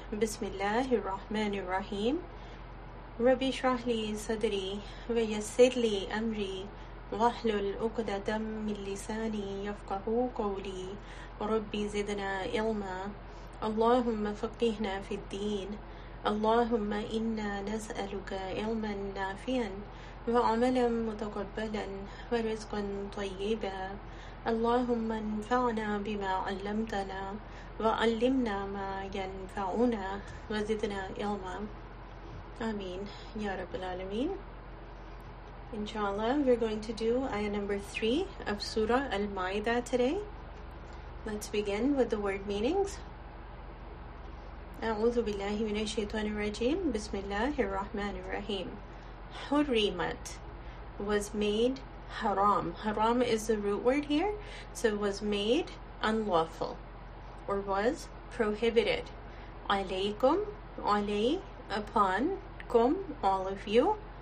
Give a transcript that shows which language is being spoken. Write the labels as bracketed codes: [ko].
[ar] بسم الله الرحمن الرحيم. ربي اشرح لي صدري ويسر لي أمري واحلل عقدة من لساني يفقه قولي ربي زدنا علما اللهم فقهنا في الدين اللهم إنا نسألك علما نافعا وعملا متقبلا ورزقا طيبا اللهم انفعنا بما علمتنا وعلمنا ما ينفعنا وزدنا علما آمين يا رب العالمين. إن شاء الله [en] we're going to do ayah number 3 of Surah Al-Ma'idah today. Let's begin with the word meanings. [ar] أعوذ بالله من الشيطان الرجيم بسم الله الرحمن الرحيم. [en] حرمت was made haram. Haram is the root word here. So was made unlawful or was prohibited. عليكم علي upon كم all of you.